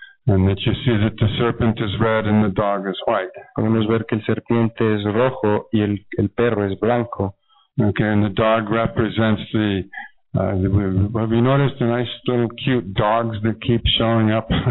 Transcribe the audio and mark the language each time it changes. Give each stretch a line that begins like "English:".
English: And that you see that the serpent is red and the dog is white.
Spanish: Podemos ver que el serpiente es rojo y el perro es blanco.
English: Okay, and the dog represents the. Have you noticed the nice little cute dogs that keep showing up?